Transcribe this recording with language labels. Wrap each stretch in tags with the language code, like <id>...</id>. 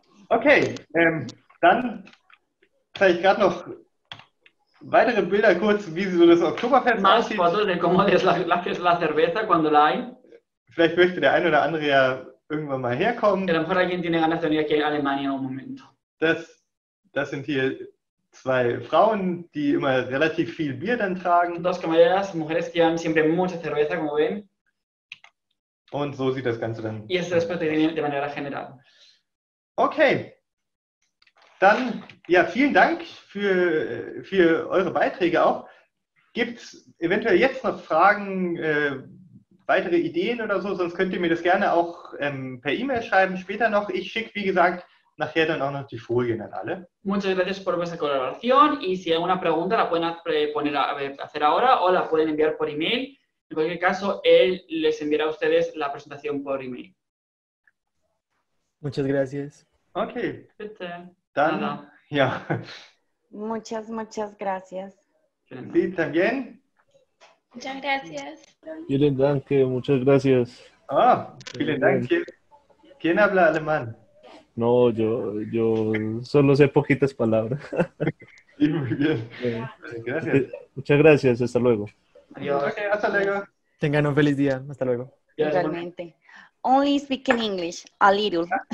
<de>Okay, dann zeige ich gerade noch weitere Bilder kurz, wie so das Oktoberfest aussieht.</de> <es>Más fotos de cómo es la cerveza cuando la hay.</es> <de>Vielleicht möchte der ein oder andere ja irgendwann mal herkommen.</de> <es>A lo mejor alguien tiene ganas de venir aquí a Alemania en un momento.</es> <de>Das sind hier zwei Frauen, die immer relativ viel Bier dann tragen.</de> <es>Dos camareras, mujeres que llevan siempre mucha cerveza, como ven.</es> <de>Und so sieht das Ganze dann.</de> <es>Y eso es parte de manera general.</es> <de>Okay, dann ja, vielen Dank für eure Beiträge auch. Gibt es eventuell jetzt noch Fragen, weitere Ideen oder so? Sonst könnt ihr mir das gerne auch per E-Mail schreiben, später noch. Ich schicke, wie gesagt, nachher dann auch noch die Folien an alle.</de> <es>Muchas gracias por vuestra colaboración. Y si hay alguna pregunta, la pueden hacer ahora o la pueden enviar por E-Mail. En cualquier caso, él les enviará a ustedes la presentación por E-Mail. Muchas gracias. Ok.</es> <de>Bitte. Dann, ja. Yeah.</de> <es>Muchas, muchas gracias. Sí, también. Muchas gracias.</es> <de>Vielen Dank,</de> <es>muchas gracias. Ah,</es> <de>vielen Dank.</de> <es>¿Quién habla alemán? No, yo solo sé poquitas palabras. Sí, muy bien. Gracias. Muchas gracias, hasta luego. Adiós. Okay, hasta luego. Tengan un feliz día, hasta luego. Y Igualmente.</es> <en>Only speaking English, a little.</en>